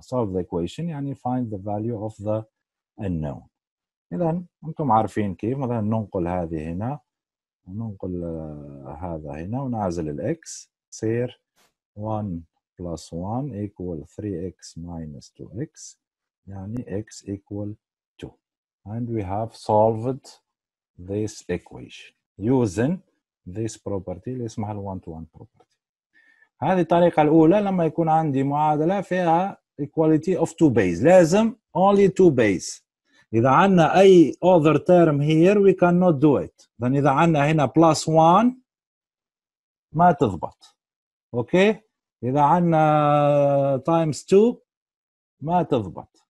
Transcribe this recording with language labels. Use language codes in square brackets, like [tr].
[en] Solve the equation يعني find the value of the unknown. [ar] إذن أنتم عارفين كيف, مثلا ننقل هذه هنا وننقل هذا هنا ونعزل الx, صير [en] 1 plus 1 equal 3x minus 2x, [ar] يعني [en] x equal 2. And we have solved this equation using this property [ar] اللي اسمها ال [en] 1 to 1 property. [ar] هذه الطريقة الأولى لما يكون عندي معادلة فيها [en] equality of two base. لازم only two base. [ar] إذا عندنا أي [en] other term here we cannot do it. [ar] Then إذا عندنا هنا [en] plus 1 [ar] ما تضبط. Okay? إذا عندنا [en] times 2 [ar] ما تضبط.